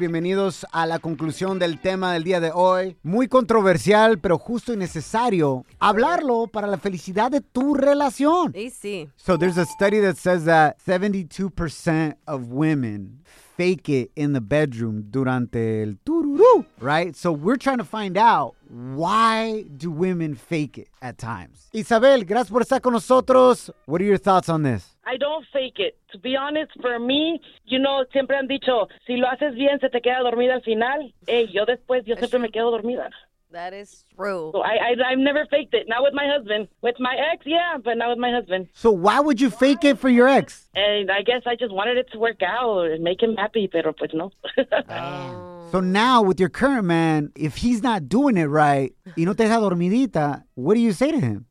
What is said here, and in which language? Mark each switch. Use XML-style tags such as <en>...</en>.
<es>Bienvenidos a la conclusión del tema del día de hoy. Muy controversial, pero justo y necesario hablarlo para la felicidad de tu relación. Y sí.</es> <en>So there's a study that says that 72% of women fake it in the bedroom</en> <es>durante el tururu,</es> <en>right? So we're trying to find out, why do women fake it at times? Isabel,</en> <es>gracias por estar con nosotros.</es> <en>What are your thoughts on this? I don't fake it. To be honest, for me, you know,</en> <es>siempre han dicho, si lo haces bien, se te queda dormida al final. Hey, yo después, yo siempre me quedo dormida.</es> <en>That is true. So I've never faked it. Not with my husband. With my ex, yeah, but not with my husband. So why would you fake it for your ex? And I guess I just wanted it to work out and make him happy,</en> <es>pero pues no.</es> <en>So now with your current man, if he's not doing it right,</en> <es>y no te deja dormidita,</es> <en>what do you say to him?</en>